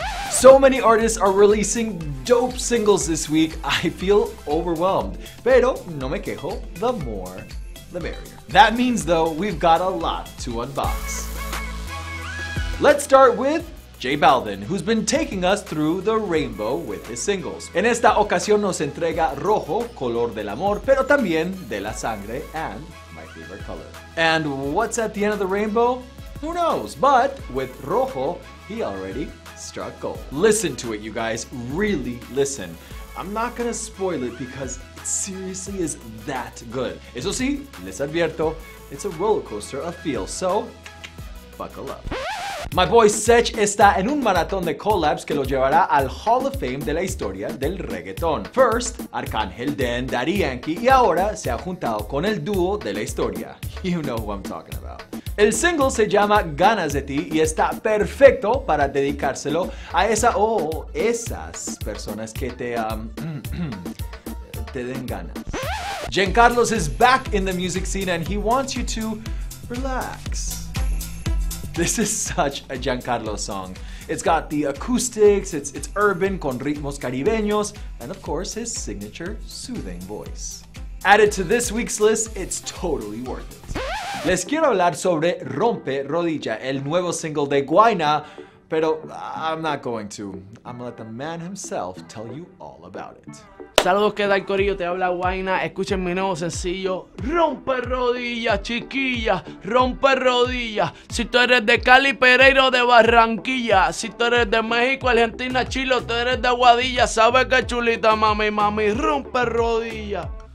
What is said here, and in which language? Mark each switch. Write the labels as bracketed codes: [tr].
[en] So many artists are releasing dope singles this week. I feel overwhelmed. [es] Pero no me quejo. [en] The more, the merrier. That means, though, we've got a lot to unbox. Let's start with J Balvin, who's been taking us through the rainbow with his singles. [es] En esta ocasión nos entrega Rojo, color del amor, pero también de la sangre, [en] and my favorite color. And what's at the end of the rainbow? Who knows? But with Rojo, he already struck gold. Listen to it, you guys. Really listen. I'm not gonna spoil it because it seriously is that good. [es] Eso sí, les advierto, [en] it's a roller coaster of feels, so buckle up. My boy [es] Sech está en un maratón de collabs que lo llevará al Hall of Fame de la historia del reggaetón. [en] First, [es] Arcángel, [en] then [es] Daddy Yankee, y ahora se ha juntado con el dúo de la historia. [en] You know who I'm talking about. [es] El single se llama Ganas de Ti y está perfecto para dedicárselo a esa o esas personas que te, te den ganas. [en] Jen Carlos is back in the music scene and he wants you to relax. This is such a Giancarlo song. It's got the acoustics, it's urban [es] con ritmos caribeños, [en] and of course his signature soothing voice. Added to this week's list, it's totally worth it. [es] Les quiero hablar sobre Rompe Rodilla, el nuevo single de Guayna, pero [en] I'm not going to. I'm gonna let the man himself tell you all about it. [es] Saludos, que da el corillo, te habla Guayna. Escuchen mi nuevo sencillo, Rompe Rodilla, chiquilla, rompe rodilla. Si tú eres de Cali, Pereiro, de Barranquilla. Si tú eres de México, Argentina, Chile, o tú eres de Aguadilla. ¿Sabes qué chulita, mami, mami? Rompe rodilla.